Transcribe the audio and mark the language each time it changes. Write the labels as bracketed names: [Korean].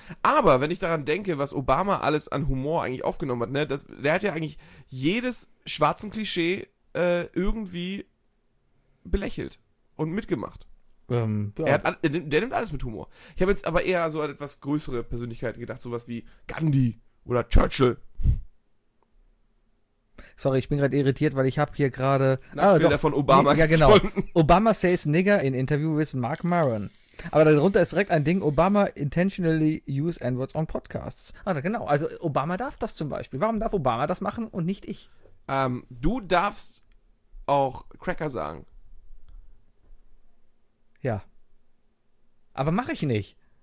[German] Aber wenn ich daran denke, was Obama alles an Humor eigentlich aufgenommen hat, ne, der hat ja eigentlich jedes schwarzen Klischee irgendwie belächelt und mitgemacht. Der nimmt alles mit Humor. Ich habe jetzt aber eher so an etwas größere Persönlichkeiten gedacht, sowas wie Gandhi oder Churchill. Sorry, ich bin gerade irritiert, weil ich habe hier gerade... Von Obama gefunden. Genau. [English] Obama says nigger in interview with Mark Maron. [German] Aber darunter ist direkt ein Ding, [English] Obama intentionally use N-words on podcasts. [German] Ah, genau, also Obama darf das zum Beispiel. Warum darf Obama das machen und nicht ich? Du darfst auch Cracker sagen. Ja. Aber mache ich nicht.